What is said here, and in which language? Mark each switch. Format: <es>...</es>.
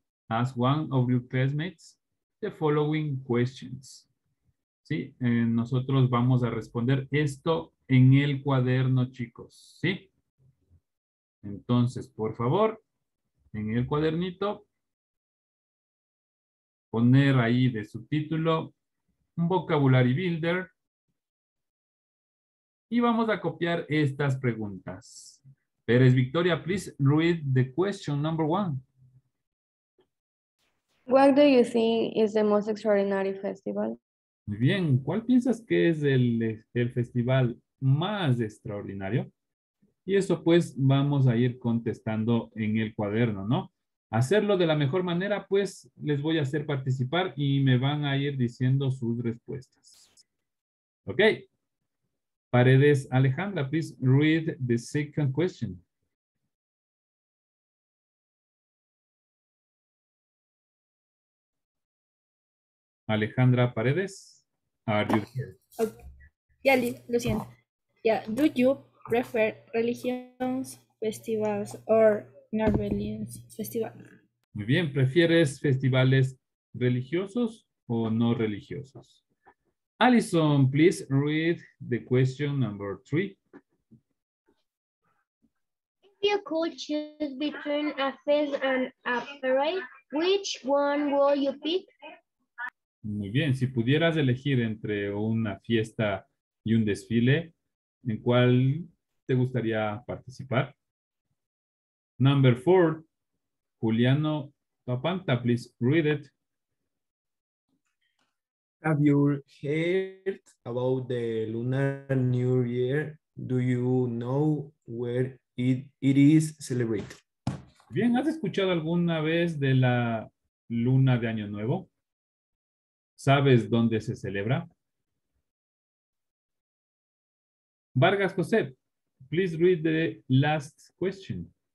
<en>Ask one of your classmates the following questions.</en> <es>¿Sí? Nosotros vamos a responder esto en el cuaderno, chicos. ¿Sí? Entonces, por favor, en el cuadernito, poner ahí de subtítulo un</es> <en>vocabulary builder</en> <es>y vamos a copiar estas preguntas.</es> <en>Pérez Victoria, please read the question number one. What do you think is the most extraordinary festival?</en> <es>Muy bien, ¿cuál piensas que es el festival más extraordinario? Y eso pues vamos a ir contestando en el cuaderno, ¿no? Hacerlo de la mejor manera, pues les voy a hacer participar y me van a ir diciendo sus respuestas.</es> <en>Ok. Paredes Alejandra, please read the second question. Alejandra Paredes, are you here? Yeah,</en> <es>lo siento.</es> <en>Yeah, do you prefer religions, festivals, or non-religions festivals?</en> <es>Muy bien, ¿prefieres festivales religiosos o no religiosos?</es> <en>Allison, please read the question number three. If you could choose between a fest and a parade, which one will you pick?</en> <es>Muy bien, si pudieras elegir entre una fiesta y un desfile, ¿en cuál te gustaría participar?</es> <en>Number four, Juliano Papanta, please read it. Have you heard about the Lunar New Year? Do you know where it is celebrated?</en> <es>Bien, ¿has escuchado alguna vez de la Luna de Año Nuevo? ¿Sabes dónde se celebra?</es> <en>Vargas José, please read the last question.</en>